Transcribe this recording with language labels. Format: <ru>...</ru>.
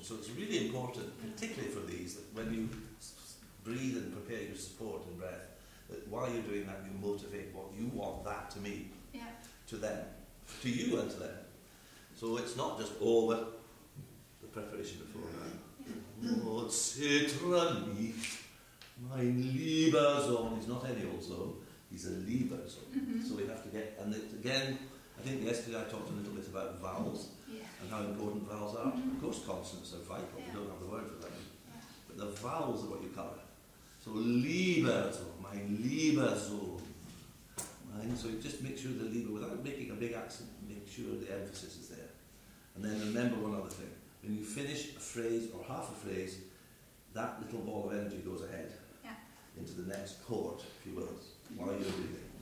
<en>So it's really important, particularly for these, that when you breathe and prepare your support and breath, that while you're doing that, you motivate what you want that to mean. Yeah. To them, to you and to them. So it's not just all but the preparation before.</en> <de>Oh, zittere nicht, mein lieber Sohn.</de> <en>He's not any old Sohn, he's a</en> <de>lieber Sohn. Mm-hmm.</de> <en>So we have to get, and it, again, I think yesterday I talked a little bit about vowels and how important vowels are. Mm-hmm. Of course, consonants are vital, we don't have the word for them. Yeah. But the vowels are what you cover.</en> <de>So lieber Sohn, mein lieber Sohn.</de> <en>So you just make sure the lever, without making a big accent, make sure the emphasis is there. And then remember one other thing. When you finish a phrase or half a phrase, that little ball of energy goes ahead into the next chord, if you will, while you're breathing.</en>